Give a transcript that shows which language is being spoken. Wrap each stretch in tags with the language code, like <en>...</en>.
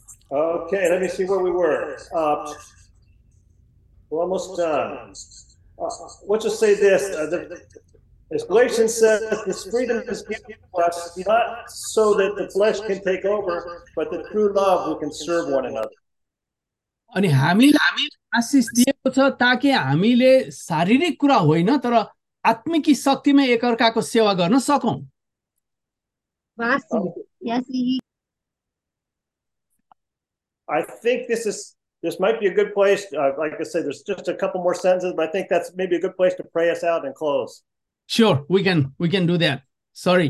<en>Okay, let me see where we were. We're almost done. Let's just say this. As Galatians says, this freedom is given to us, not so that the flesh can take over, but the true love we can serve one another.</en> <ne>अनि हामीलाई आशिष दिएको छ ताकि हामीले शारीरिक कुरा होइन तर आत्मिक शक्तिमा एकअर्काको सेवा गर्न सकौँ.</ne> <en>I think this might be a good place. Like I said, there's just a couple more sentences, but I think that's maybe a good place to pray us out and close. Sure, we can do that. Sorry.</en>